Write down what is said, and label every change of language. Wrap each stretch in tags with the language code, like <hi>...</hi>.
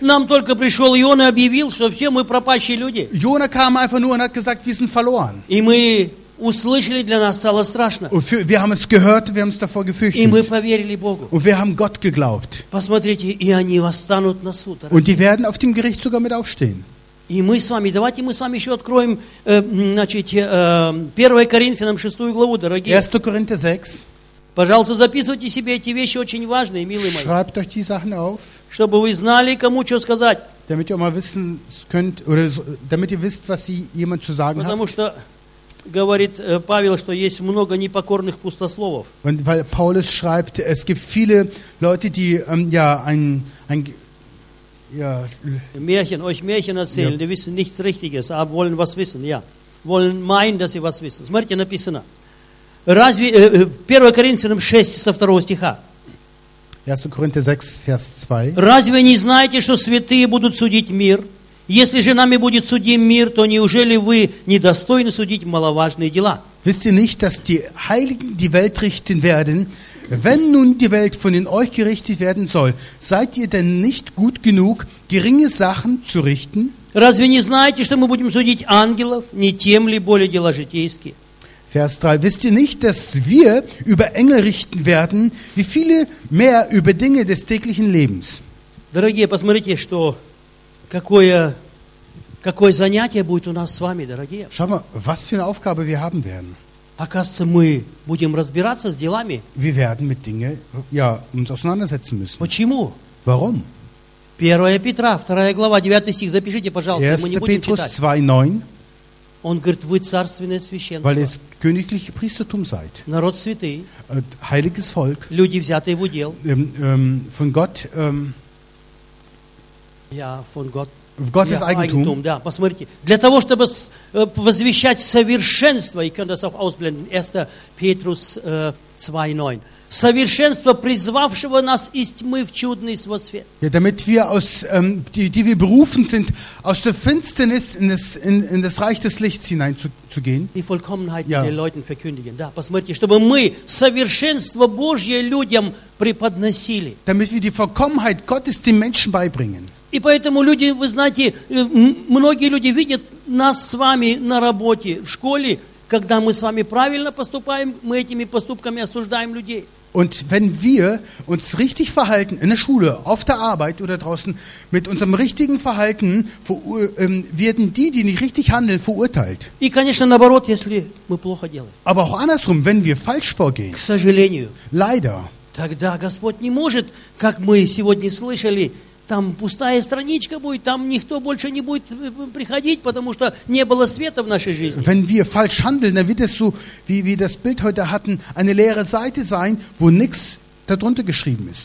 <ru>Нам только пришел Иона и объявил, что все мы пропащие люди.</ru> <de>Jona kam einfach nur und hat gesagt, wir sind verloren.</de> <ru>И мы услышали, для нас стало страшно.</ru> <de>Wir haben es gehört, wir haben es davor gefürchtet.</de> <ru>И мы поверили Богу.</ru> <de>Und wir haben Gott geglaubt.</de> <ru>Посмотрите, и они восстанут на суд.</ru> <de>Und die werden auf dem Gericht sogar mit aufstehen.</de> <ru>И мы с вами, давайте мы с вами еще откроем, значит, 1 Коринфянам 6 главу, дорогие. 1 Коринфянам 6. Пожалуйста, записывайте себе эти вещи, очень важные, милые мои.</ru> <de>Schreibt euch die Sachen auf.</de> <ru>Чтобы вы знали, кому что сказать.</ru> <de>Damit ihr mal wissen könnt, oder damit ihr wisst, was sie jemand zu sagen hat.</de> <ru>Потому что говорит Павел, что есть много непокорных пустословов.</ru> <de>Und weil Paulus schreibt, es gibt viele Leute, die ja ein ja Märchen, euch Märchen erzählen, ja. Die wissen nichts Richtiges, aber wollen was wissen, ja. Wollen meinen, dass sie was wissen.</de> <ru>Смотрите, написано. Разве 1 Коринфянам 6 со 2 стиха.</ru> <de>1 Коринфянам 6 vers 2.</de> <ru>Разве не знаете, что святые будут судить мир? Если же нами будет судим мир, то неужели вы недостойны судить маловажные дела?</ru> <de>Wisst ihr nicht, dass die Heiligen die Welt richten werden? Wenn nun die Welt von in euch gerichtet werden soll, seid ihr denn nicht gut genug, geringe Sachen zu richten?</de> <ru>Разве не знаете, что мы будем судить ангелов, не тем ли более дела житейские?</ru> <de>Vers 3. Wisst ihr nicht, dass wir über Engel richten werden, wie viele mehr über Dinge des täglichen Lebens?</de> <ru>Дорогие, посмотрите, что какое занятие будет у нас с вами, дорогие.</ru> <de>Schau mal, was für eine Aufgabe wir haben werden.</de> <ru>Оказывается, мы будем разбираться с делами.</ru> <de>Wir werden mit Dingen, ja, uns auseinandersetzen müssen.</de> <ru>Почему?</ru> <de>Warum?</de> <ru>1 Петра, 2 глава, 9 стих, запишите, пожалуйста, мы не будем</ru> <de>Petrus</de> <ru>читать.</ru> <de>2:9.</de> <ru>Он говорит, вы царственное священство.</ru> <de>Weil ihr königliches Priestertum seid.</de> <ru>Народ святый.</ru> <de>Heiliges Volk.</de> <ru>Люди, взятые в удел.</ru> <de>Von Gott, ja, von Gott. Gottes Eigentum.</de> <ru>Да, посмотрите. Для того, чтобы возвещать совершенство,</ru> <de>ihr könnt das auch ausblenden, 1. Petrus 2:9.</de> <ru>Совершенство призвавшего нас из тьмы в чудный свой свет.</ru> <de>Ja, damit wir aus, die wir berufen sind, aus der Finsternis in das Reich des Lichts hineinzugehen. Die Vollkommenheit, ja, den Leuten verkündigen.</de> <ru>Да, посмотрите, чтобы мы совершенство Божье людям преподносили.</ru> <de>Damit wir die Vollkommenheit Gottes den Menschen beibringen.</de> <ru>И поэтому люди, вы знаете, многие люди видят нас с вами на работе, в школе, когда мы с вами правильно поступаем, мы этими поступками осуждаем людей.</ru> <de>Und wenn wir uns richtig verhalten in der Schule, auf der Arbeit oder draußen, mit unserem richtigen Verhalten werden die nicht richtig handeln, verurteilt.</de> <ru>И, конечно, наоборот, если мы плохо делаем.</ru> <de>Aber auch andersrum, wenn wir falsch vorgehen.</de> <ru>К сожалению.</ru> <de>Leider.</de> <ru>Тогда Господь не может, как мы сегодня слышали, там пустая страничка будет, там никто больше не будет приходить, потому что не было света в нашей жизни.</ru> <de>Wenn wir falsch handeln, dann wird es so, wie wir das Bild heute hatten, eine leere Seite sein, wo nichts darunter geschrieben ist.</de>